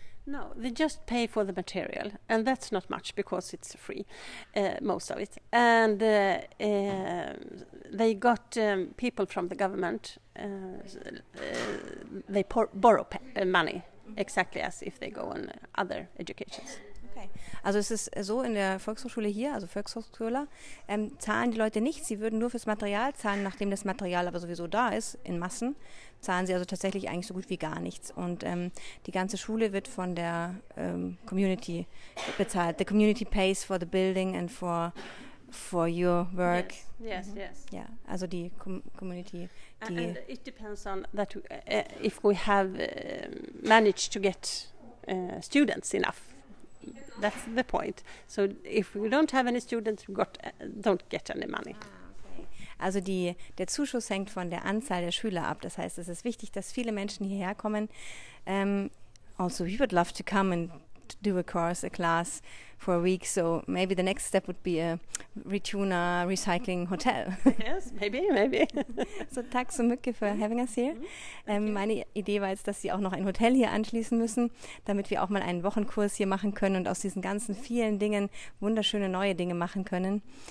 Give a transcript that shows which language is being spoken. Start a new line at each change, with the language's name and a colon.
English: No, they just pay for the material, and that's not much, because it's free, most of it. And they got people from the government. They borrow money, exactly as if they go on other educations. Okay.
German: Also es ist so, in der Volkshochschule hier, also Volkshochschüler, zahlen die Leute nichts. Sie würden nur fürs Material zahlen, nachdem das Material aber sowieso da ist, in Massen, zahlen sie also tatsächlich eigentlich so gut wie gar nichts. Und die ganze Schule wird von der Community bezahlt.
English: The community pays for the building and for your work. Yes, yes, yes.
German: Yeah, also die Community. Die
English: and it depends on that if we have managed to get students enough. That's the point. So if we don't have any students, we don't get any money.
German: Also der Zuschuss hängt von der Anzahl der Schüler ab. Das heißt, es ist wichtig, dass viele Menschen hierher kommen.
English: Also we would love to come and do a course, a class for a week. So maybe the next step would be a Retuna recycling hotel. Yes, maybe. So, thanks so much for having us here. Mm-hmm.
German: Meine Idee war jetzt, dass Sie auch noch ein Hotel hier anschließen müssen, damit wir auch mal einen Wochenkurs hier machen können und aus diesen ganzen vielen Dingen wunderschöne neue Dinge machen können.